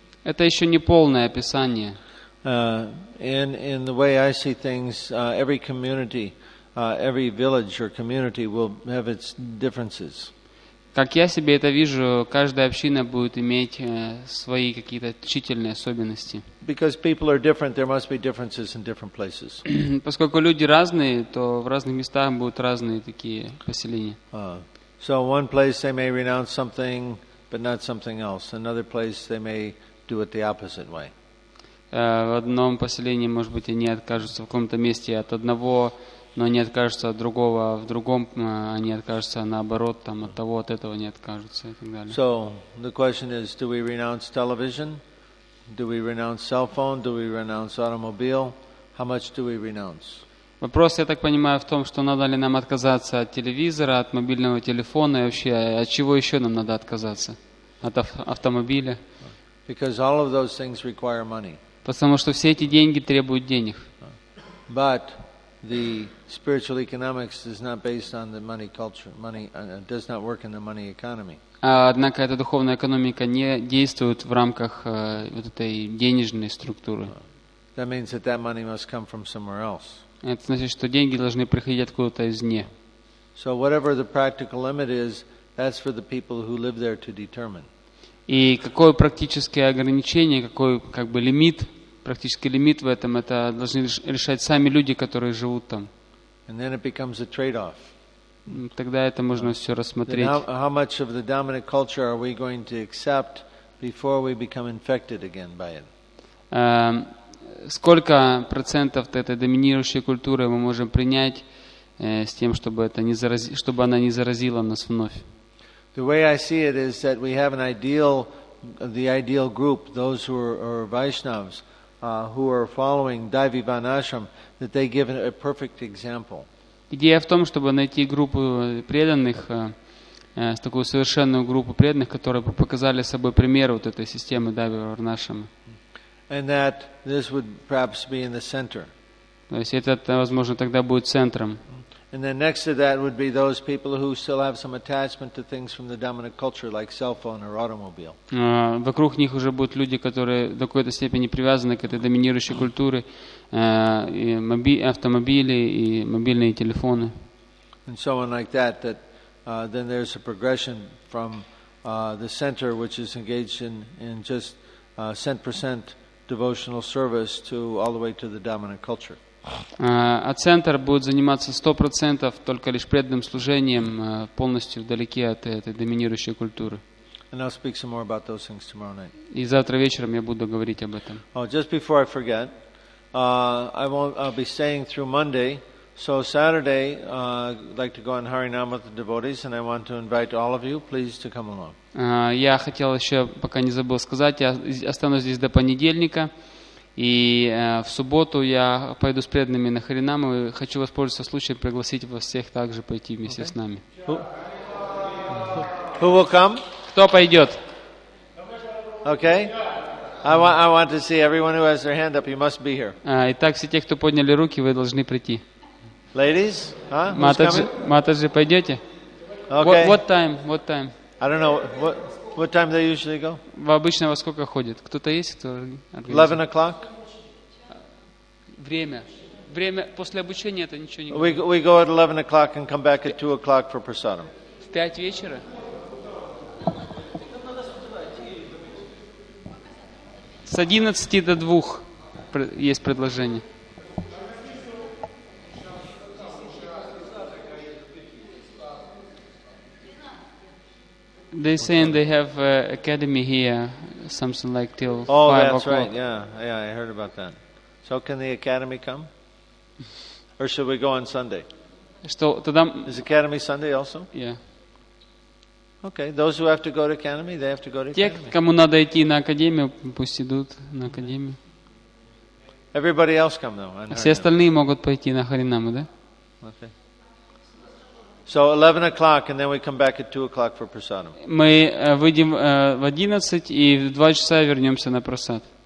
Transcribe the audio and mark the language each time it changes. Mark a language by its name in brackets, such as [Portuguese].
[Russian] Это еще не полное описание. [English] In the way I see things, every community every village or community will have its differences. [Russian] Как я себе это вижу, каждая община будет иметь свои какие-то отличительные особенности. [English] Because people are different, there must be differences in different places. [Russian] Поскольку люди разные, то в разных местах будут разные такие поселения. [English] So one place they may renounce something, but not something else. Another place they may do it the opposite way. [Russian] В одном поселении, может быть, они откажутся в каком-то месте от одного, но не откажутся от другого, а в другом они откажутся наоборот, там, от того, от этого не откажутся и так далее. [English] So, the question is, do we renounce television? Do we renounce cell phone? Do we renounce automobile? How much do we renounce? [Russian] Вопрос, я так понимаю, в том, что надо ли нам отказаться от телевизора, от мобильного телефона и вообще, от чего еще нам надо отказаться? От автомобиля? [English] Because all of those things require money. [Russian] Потому что все эти деньги требуют денег. [English] But the spiritual economics is not based on the money culture. Money does not work in the money economy. [Russian] Однако эта духовная экономика не действует в рамках вот этой денежной структуры. [English] That means that that money must come from somewhere else. [Russian] Это значит, что деньги должны приходить откуда-то извне. [English] So whatever the practical limit is, that's for the people who live there to determine. [Russian] И какое практическое ограничение, какой как бы лимит, практический лимит в этом, это должны решать сами люди, которые живут там. [English] And then it becomes a trade-off. [Russian] Тогда это можно все рассмотреть. [English] How much of the dominant culture are we going to accept before we become infected again by it? [Russian] Сколько процентов этой доминирующей культуры мы можем принять с тем, чтобы это не заразило, чтобы она не заразила нас вновь? [English] The way I see it is that we have an ideal, the ideal group, those who are Vaishnavas, who are following Daivivan Ashram, that they give a perfect example. [Russian] Идея в том, чтобы найти группу преданных, такую совершенную группу преданных, которые бы показали собой пример вот этой системы Daivivan Ashram. [English] And that this would perhaps be in the center. [Russian] То есть этот, возможно, тогда будет центром. [English] And then next to that would be those people who still have some attachment to things from the dominant culture, like cell phone or automobile. [Russian] Вокруг них уже будут люди, которые до какой-то степени привязаны к этой доминирующей культуре, автомобили и мобильные телефоны. [English] And so on like that. Then there's a progression from the center, which is engaged in just 100% devotional service, to all the way to the dominant culture. [Russian] А центр будет заниматься 100% только лишь преданным служением, полностью вдалеке от этой доминирующей культуры. [English] And I'll speak some more about those things tomorrow night. [Russian] И завтра вечером я буду говорить об этом. [English] Oh, just before I forget, I'll be staying through Monday, so Saturday I'd like to go on Harinam with the devotees, and I want to invite all of you, please, to come along. [Russian] Я хотел еще, пока не забыл сказать, я останусь здесь до понедельника. И в субботу я пойду с преданными на Харинам и хочу воспользоваться случаем пригласить вас всех также пойти вместе с нами. [English] Who will come? [Russian] Кто пойдет? [English] Okay. I want to see everyone who has their hand up. You must be here. [Russian] Итак, все те, кто подняли руки, вы должны прийти. [English] Ladies, [Russian] Матаджи, пойдете? [English] Okay. What time? I don't know. What time they usually go? [Russian] В обычно во сколько ходят? Кто-то есть, кто? 11:00. Время после обучения это ничего не. [English] We go at 11:00 and come back at 2:00 for prasadam. [Russian] В 5 вечера. С 11 до 2 есть предложение. [English] They're saying they have an academy here, something like till 5 o'clock. Oh, that's right, yeah, I heard about that. So can the academy come? Or should we go on Sunday? Is academy Sunday also? Yeah. Okay, those who have to go to academy, they have to go to academy. [Russian] Те, кому надо идти на академию, пусть идут на академию. [English] Everybody else come, though. [Russian] Все остальные могут пойти на Харинаму, да? [English] Okay. So 11:00, and then we come back at 2:00 for prasadam. [Russian] Мы выйдем в 11 и в 2 часа вернемся на просад.